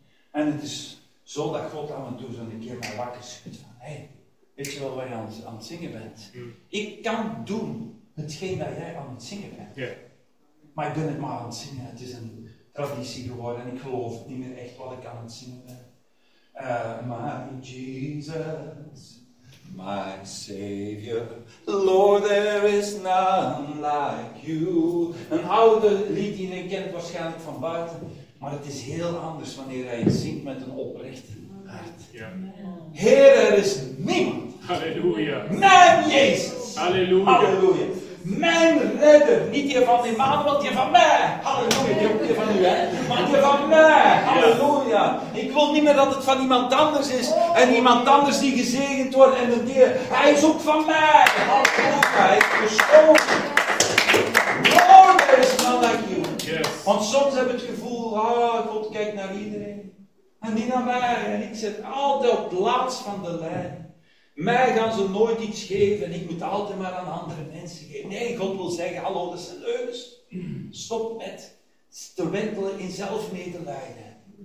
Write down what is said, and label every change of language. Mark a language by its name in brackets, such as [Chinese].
[Dutch] En het is zo dat God aan me toe zo'n keer mij wakker schudt. Van, hé, weet je wel wat je aan het zingen bent? Ik kan doen hetgeen dat jij aan het zingen bent. Yeah. Maar ik ben het maar aan het zingen. Het is een traditie geworden. En ik geloof het niet meer echt wat ik aan het zingen ben. [English] My Jesus, my Savior, Lord, there is none like you. [Dutch] Een oude lied die je kent waarschijnlijk van buiten, maar het is heel anders wanneer hij het zingt met een oprecht hart. Ja. Heer, er is niemand. Halleluja. Mijn Jezus. Halleluja. Halleluja. Mijn redder, niet die van die man, want die van mij. Halleluja, die ook niet van u, hè. Maar die van mij. Halleluja. Ik wil niet meer dat het van iemand anders is. En iemand anders die gezegend wordt. En dat die, hij is ook van mij. Halleluja, hij is gestorven. [English] Lord, there is none like you. [Dutch] Want soms heb ik het gevoel, oh, God kijkt naar iedereen. En niet naar mij. En ik zit altijd op plaats van de lijn. Mij gaan ze nooit iets geven en ik moet altijd maar aan andere mensen geven. Nee, God wil zeggen, hallo, dat is een leugens. Stop met te wentelen in zelfmedelijden.